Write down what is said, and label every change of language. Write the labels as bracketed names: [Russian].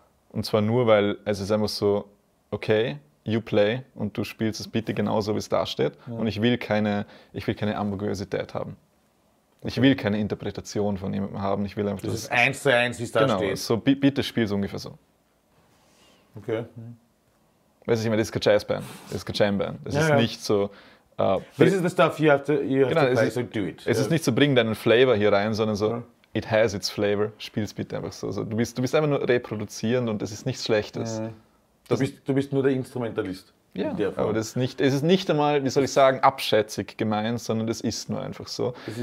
[German] Und zwar nur, weil es ist einfach so, okay, [English] you play [German] und du spielst es bitte genauso, wie es da steht. Ja. Und ich will keine Ambiguosität haben. Okay. Ich will keine Interpretation von jemandem haben. Ich will einfach, das ist eins zu eins, wie es da genau, steht. Genau, so, bitte spiel es ungefähr so. Okay. Weißt du, ich meine, das ist keine Jazzband. Das ist keine Jamband. Das ist nicht so, [English] This is the stuff you have to, you have to play, so do it. [German] Es ist nicht zu bringen deinen Flavor hier rein, sondern so, [English] it has its flavor, [German] spiel's bitte einfach so. Also, du bist einfach nur reproduzierend und das ist nichts Schlechtes. Du bist nur der Instrumentalist. Ja, aber das ist nicht, es ist nicht einmal, wie soll ich sagen, abschätzig gemeint, sondern das ist nur einfach so.